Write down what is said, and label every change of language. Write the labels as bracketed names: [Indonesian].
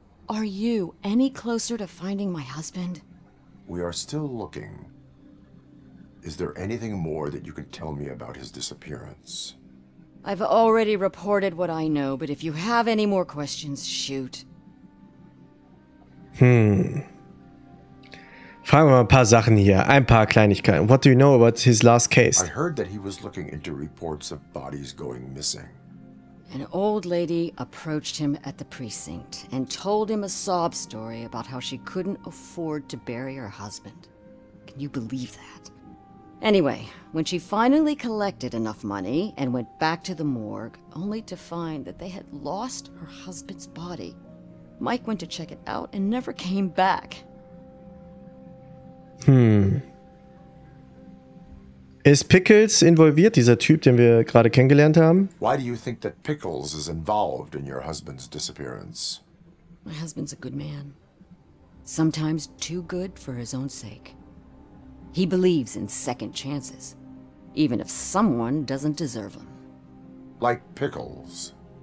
[English] Are you any closer to finding my husband? We are still looking. Is there anything more that you can tell me about his disappearance? I've already reported what I know, but if you have any more questions, shoot. [German] Fragen wir mal ein paar Sachen hier, ein paar Kleinigkeiten. [English] What do you know about his last case? I heard that he was looking into reports of bodies going missing. An old lady approached him at the precinct and told him a sob story about how she couldn't afford to bury her husband. Can you believe that? Anyway, when she finally collected enough money and went back to the morgue, only to find that they had lost her husband's body, Mike went to check it out and never came back. [German] Ist Pickles involviert, dieser Typ, den wir gerade kennengelernt haben? [English] Why do you think that Pickles is involved in your husband's disappearance? My husband's a good man. Sometimes too good for his own sake. He believes in second chances, even if someone doesn't deserve them. Like Pickles.